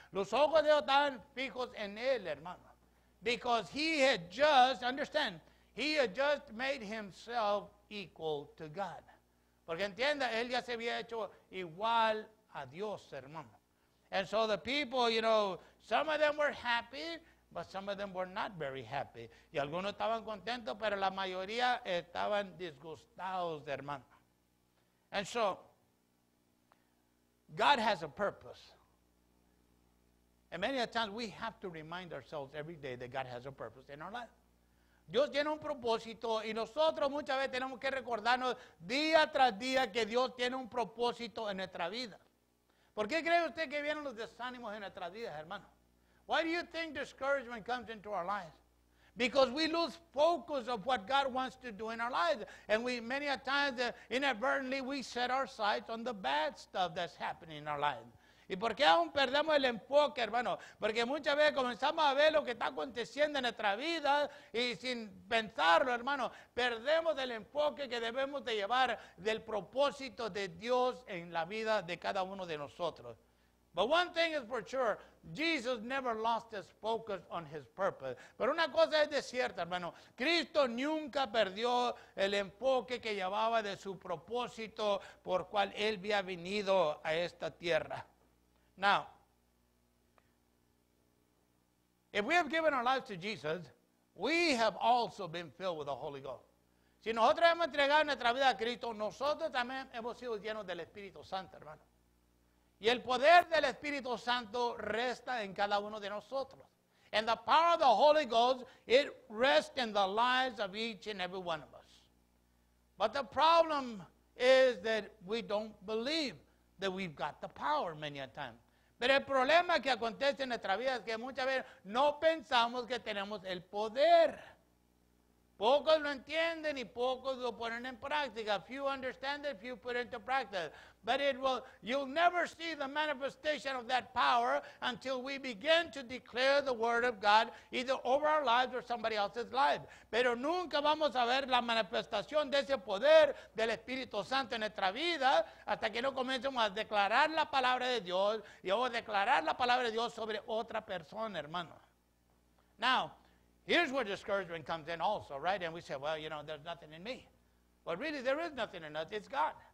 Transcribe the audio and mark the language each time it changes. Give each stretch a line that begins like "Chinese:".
Spanish: Los ojos de ellos estaban fijos en él, hermano.
English: Because he had just made himself equal to God.
Spanish: Porque entienda, él ya se había hecho igual a Dios, hermano.
English: And so the people, some of them were happy, but some of them were not very happy.
Spanish: Y algunos estaban contentos, pero la mayoría estaban disgustados, hermano.
English: And so, God has a purpose. And many a times we have to remind ourselves every day that God has a purpose in our life.
Spanish: Dios tiene un propósito, y nosotros muchas veces tenemos que recordarnos día tras día que Dios tiene un propósito en nuestra vida. ¿Por qué cree usted que vienen los desánimos en nuestras vidas, hermano?
English: Why do you think discouragement comes into our lives? Because we lose focus of what God wants to do in our lives. And we many a times, inadvertently, we set our sights on the bad stuff that's happening in our lives.
Spanish: ¿Y por qué aún perdemos el enfoque, hermano? Porque muchas veces comenzamos a ver lo que está aconteciendo en nuestra vida y sin pensarlo, hermano, perdemos el enfoque que debemos de llevar del propósito de Dios en la vida de cada uno de nosotros.
English: But one thing is for sure, Jesus never lost his focus on his purpose.
Spanish: Pero una cosa es de cierta, hermano. Cristo nunca perdió el enfoque que llevaba de su propósito por cual él había venido a esta tierra.
English: Now, if we have given our lives to Jesus, we have also been filled with the Holy Ghost.
Spanish: Si nosotros hemos entregado nuestra vida a Cristo, nosotros también hemos sido llenos del Espíritu Santo, hermano. Y el poder del Espíritu Santo resta en cada uno de nosotros.
English: And the power of the Holy Ghost, it rests in the lives of each and every one of us. But the problem is that we don't believe that we've got the power many a time.
Spanish: Pero el problema que acontece en nuestra vida es que muchas veces no pensamos que tenemos el poder. Pocos lo entienden y pocos lo ponen en práctica.
English: Few understand it, few put it into practice. But you'll never see the manifestation of that power until we begin to declare the word of God either over our lives or somebody else's life.
Spanish: Pero nunca vamos a ver la manifestación de ese poder del Espíritu Santo en nuestra vida hasta que no comencemos a declarar la palabra de Dios y o declarar la palabra de Dios sobre otra persona, hermano.
English: Now, here's where discouragement comes in also, right? And we say, well, you know, there's nothing in me. But really, there is nothing in us. It's God.